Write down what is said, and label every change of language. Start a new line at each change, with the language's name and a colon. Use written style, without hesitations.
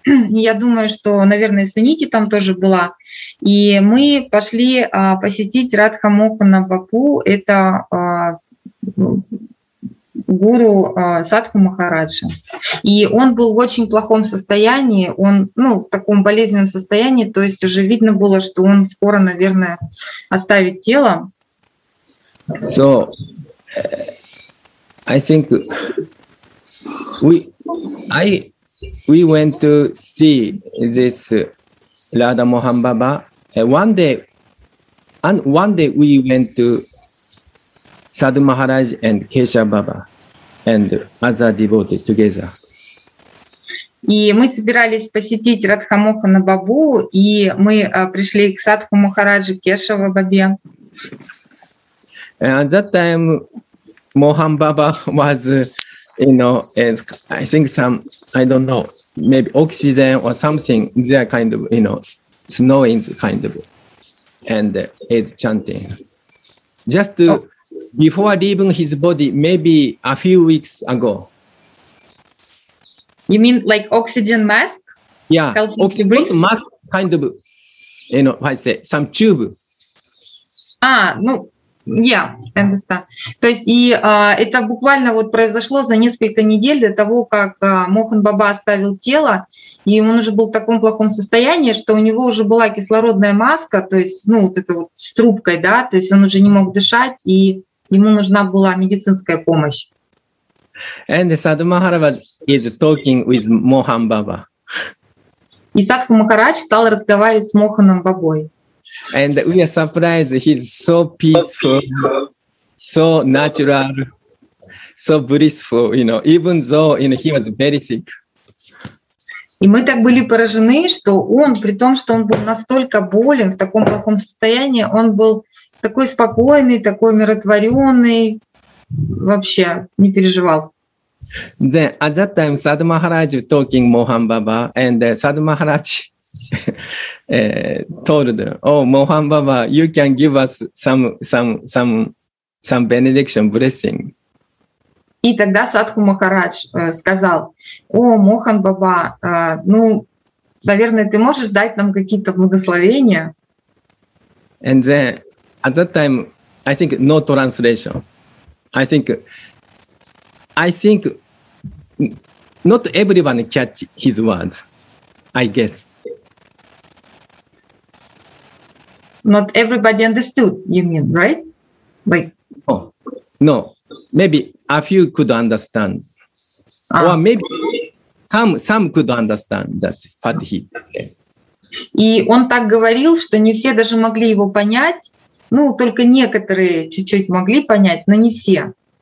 Russian: Я думаю, что, наверное, Сунити там тоже была. И мы пошли посетить Радха Мохана Бапу. Это гуру Садху Махараджа. И он был в очень плохом состоянии, он, ну, в таком болезненном состоянии, то есть уже видно было, что он скоро, наверное, оставит тело.
English: So, I think we went to see this Radha Mohan Baba one day we went to Sadhu Maharaj and Kesha Baba. And as a devotee together.
Russian: И мы собирались посетить Радха Мохана Бабу, и мы пришли к Садху Махараджу Кешава Бабе.
English: And at that time, Mohan Baba was, you know, as I think some, I don't know, maybe oxygen or something, they are kind of, you know, snowing kind of, and is chanting. Just to, before leaving his body, maybe a few weeks ago. You mean like oxygen mask? Yeah, oxygen mask, kind of, you know, I say, some tube. Ah, no. Yeah, I understand.
Russian: То есть и это буквально вот произошло за несколько недель до того, как Мохан Баба оставил тело, и он уже был в таком плохом состоянии, что у него уже была кислородная маска, то есть, ну, вот это вот с трубкой, да, то есть он уже не мог дышать, и ему нужна была медицинская помощь.
English: And Sadhu Maharaj is talking with Mohan Baba.
Russian: И Садху Махарадж стал разговаривать с Моханом Бабой.
English: And we are surprised he's so peaceful, so natural, so blissful, you know, even though, you know, he was very sick.
Russian: И мы так были поражены, что он, при том, что он был настолько болен, в таком плохом состоянии, он был такой спокойный, такой умиротворённый, вообще не переживал.
English: Then, at that time, Sadhu Maharaj was talking to Mohan Baba, and Sadhu Maharaj told, oh, Mohan Baba, you can give us some benediction, blessing.
Russian: И тогда Садху Махарадж сказал, о, Мохан Баба, ну, наверное, ты можешь дать нам какие-то благословения?
English: And then, at that time, I think no translation. I think not everyone catch his words, I guess. Not everybody understood, you mean, right? Like, oh, no, maybe a few could understand. Or maybe some could understand that what he said.
Russian: И он так говорил, что не все даже могли его понять. Ну, только некоторые чуть-чуть могли понять, но не все.